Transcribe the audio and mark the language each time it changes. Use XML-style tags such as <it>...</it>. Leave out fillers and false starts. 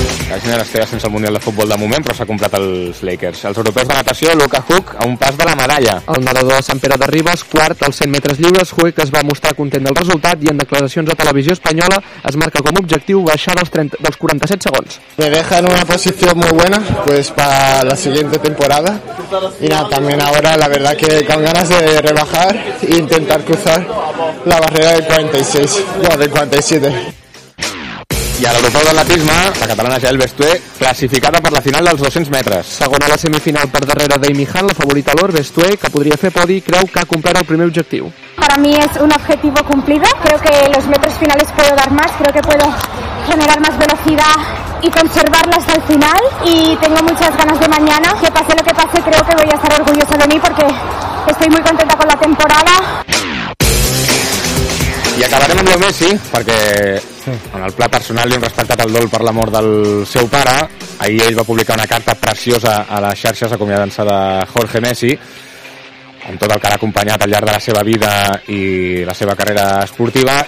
<ca>La gent es queda sense el Mundial de Futbol de moment, però s'ha comprat els Lakers. Els europeus de natació, Luca Hug, a un pas de la medalla. El nedador de Sant Pere de Ribes, quart als 100 metres lliures, Hug es va mostrar content del resultat i en declaracions a Televisió Espanyola es marca com a objectiu baixar dels 47 segons.</ca> <es>Me deja en una posición muy buena, pues para la siguiente temporada. Y nada, también ahora la verdad que con ganas de rebajar e intentar cruzar la barrera del 46, no, del 47.</es> <ca>I a l'Europeu d'Atletisme, la catalana Jael Bestué, classificada per la final dels 200 metres. Segona a la semifinal per darrere d'Amy Hunt, la favorita l'or, Bestué, que podria fer podi, creu que ha complert el primer objectiu.</ca> <es>Para mí es un objetivo cumplido. Creo que los metros finales puedo dar más. Creo que puedo generar más velocidad y conservarla hasta el final. Y tengo muchas ganas de mañana. Que pase lo que pase, creo que voy a estar orgullosa de mí porque estoy muy contenta con la temporada.</es> <ca>I acabarem amb Leo Messi, perquè en el pla personal li hem respectat el dol per la mort del seu pare. Ahir ell va publicar una carta preciosa a les xarxes acomiadant-se de Jorge Messi, amb tot el que l'ha acompanyat al llarg de la seva vida i la seva carrera esportiva.</ca>